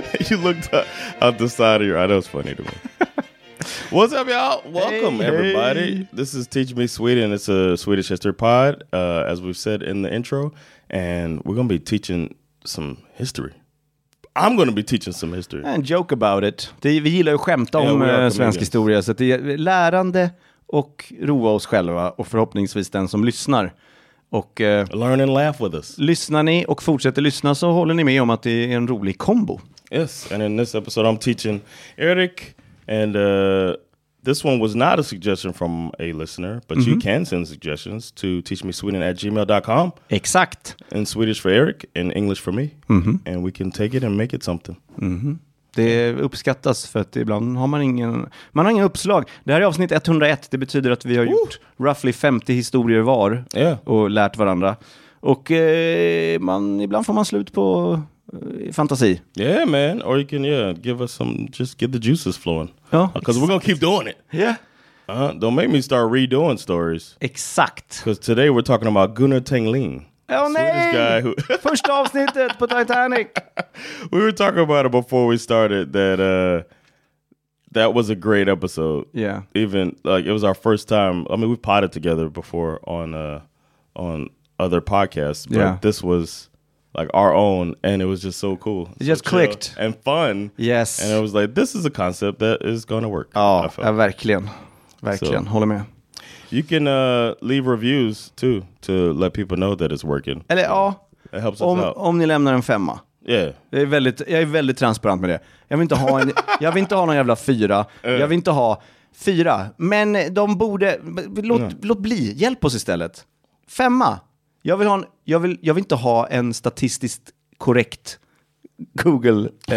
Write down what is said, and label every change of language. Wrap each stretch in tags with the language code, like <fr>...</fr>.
<en>Looked out the side of your eye. That was funny to me. What's up, y'all? Welcome, hey, everybody. Hey. This is Teach Me Sweden. It's a Swedish history pod, as we've said in the intro. And we're going to be teaching some history. I'm going to be teaching some history. And joke about it.</en> <sv>Vi gillar ju att skämta om svensk historia. Så det är lärande och roa oss själva. Och förhoppningsvis den som lyssnar. Och,</sv> <en>learn and laugh with us.</en> <sv>Lyssnar ni och fortsätter lyssna så håller ni med om att det är en rolig kombo.</sv> <en>Yes, and in this episode I'm teaching Eric, and this one was not a suggestion from a listener, but mm-hmm. You can send suggestions to teachmesweden@gmail.com.</en> <sv>Exakt.</sv> <en>In Swedish for Eric, in English for me, mm-hmm. And we can take it and make it something. Mm-hmm.</en> <sv>Det uppskattas för att ibland har man har ingen uppslag. Det här är avsnitt 101, det betyder att vi har gjort roughly 50 historier var,</sv> <en>yeah,</en> <sv>och lärt varandra. Och ibland får man slut på fantasi.</sv> <en>Yeah man, or you can give us some, just get the juices flowing.</en> <sv>Ja,</sv> <en>cuz we're going to keep doing it. Yeah. Don't make me start redoing stories.</en> <sv>Exakt.</sv> <en>Cuz today we're talking about Gunnar Tengling. Oh no. This guy who first</en> <sv>avsnittet på Titanic.</sv> <en>We were talking about it before we started that was a great episode. Yeah. Even like it was our first time. I mean, we've potted together before on other podcasts, but yeah, this was like our own, and it was just so cool. It just so clicked. And fun. Yes. And it was like, this is a concept that is going to work.</en> <sv>Oh, ja, verkligen. Verkligen, so, håller med.</sv> <en>You can leave reviews too, to let people know that it's working.</en> <sv>Eller ja,</sv> <en>it helps us out.</en> <sv>Om ni lämnar en femma.</sv> <en>Yeah.</en> <sv>Det är väldigt, jag är väldigt transparent med det. Jag vill inte ha en, jag vill inte ha någon jävla fyra. Jag vill inte ha fyra. Men de borde, låt bli, hjälp oss istället. Femma. Jag vill inte ha en statistiskt korrekt Google.</sv>